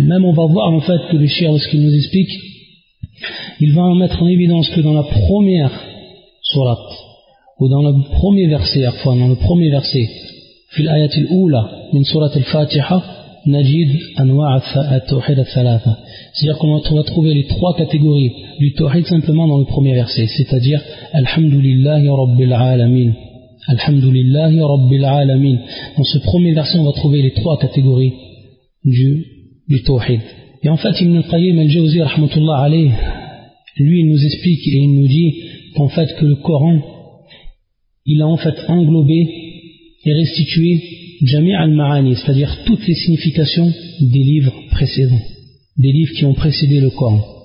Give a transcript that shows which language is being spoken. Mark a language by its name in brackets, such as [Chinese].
[French] Même on va voir en fait que le shir, lorsqu'il nous explique, il va en mettre en évidence que dans la première sourate, ou dans le premier verset, enfin dans le premier verset, [Arabic] في الآية الأولى من سورة الفاتحة نجد أنواع التوحيد الثلاثة. [French] C'est-à-dire qu'on va trouver les trois catégories du tawhid simplement dans le premier verset. C'est-à-dire [Arabic] الحمد لله رب العالمين. الحمد لله رب العالمين. [French] Dans ce premier verset, on va trouver les trois catégories du du tawhid. Et en fait, Ibn al-Qayyim al-Jawzi, rahmatullah alayh, lui, il nous explique et il nous dit qu'en fait, que le Coran, il a en fait englobé et restitué jami' al-ma'ani, c'est-à-dire toutes les significations des livres précédents, des livres qui ont précédé le Coran.